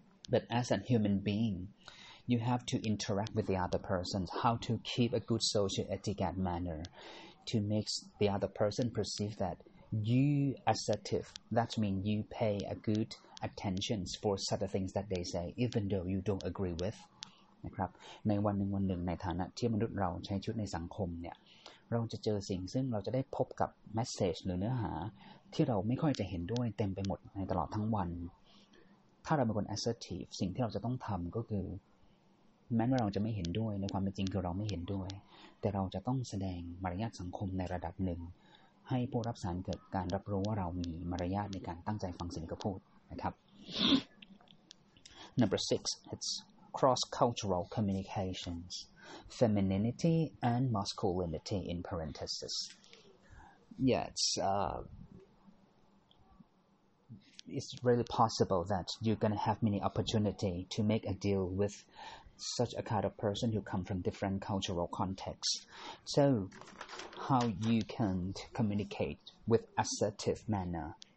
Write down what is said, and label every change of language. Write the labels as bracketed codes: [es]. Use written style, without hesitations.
[en] But as a human being, you have to interact with the other person, how to keep a good social etiquette manner to make the other person perceive that you assertive. That means you pay a good attention for certain things that they say, even though you don't agree with. [th] นะครับในวันหนึ่งวันหนึ่งในฐานะที่มนุษย์เราใช้ชีวิตในสังคมเนี่ยเราจะเจอสิ่งซึ่งเราจะได้พบกับเมสเซจหรือเนื้อหาที่เราไม่ค่อยจะเห็นด้วยเต็มไปหมดในตลอดทั้งวัน ถ้าเราเป็นคน assertive สิ่งที่เราจะต้องทำก็คือแม้ว่าเราจะไม่เห็นด้วยในความเป็นจริงคือเราไม่เห็นด้วยแต่เราจะต้องแสดงมารยาทสังคมในระดับหนึ่งให้ผู้รับสารเกิดการรับรู้ว่าเรามีมารยาทในการตั้งใจฟังสิ่งที่พูดนะครับ [en] Number 6 it'scross-cultural communications, femininity and masculinity in parentheses. Yeah, it's really possible that you're going to have many opportunity to make a deal with such a kind of person who come from different cultural contexts. So how you can communicate with assertive manner?